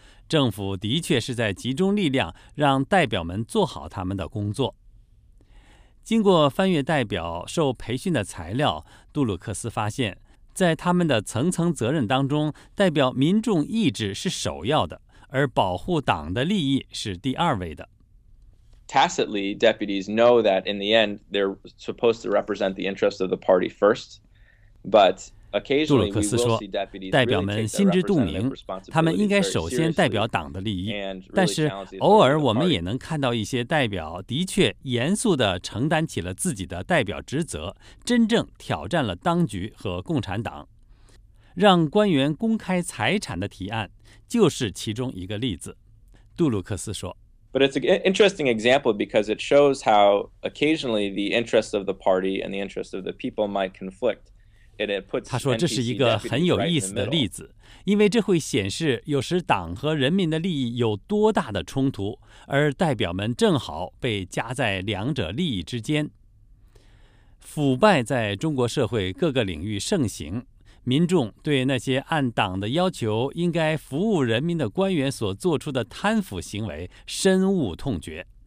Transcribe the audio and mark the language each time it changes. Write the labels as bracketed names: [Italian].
[Chinese] 政府的确是在集中力量，让代表们做好他们的工作。经过翻阅代表受培训的材料，杜鲁克斯发现，在他们的层层责任当中，代表民众意志是首要的，而保护党的利益是第二位的。 [English] Tacitly, deputies know that in the end they're supposed to represent the interests of the party first, but occasionally we will see deputies. [Chinese] 代表们心知肚明，他们应该首先代表党的利益，但是偶尔我们也能看到一些代表的确严肃地承担起了自己的代表职责，真正挑战了当局和共产党。让官员公开财产的提案就是其中一个例子，杜鲁克斯说。 [English] But it's an interesting example because it shows how occasionally the interests of the party and the interests of the people might conflict. And it puts [Chinese] 他说这是一个很有意思的例子，因为这会显示有时党和人民的利益有多大的冲突，而代表们正好被夹在两者利益之间。腐败在中国社会各个领域盛行，民众对那些按党的要求应该服务人民的官员所做出的贪腐行为深恶痛绝。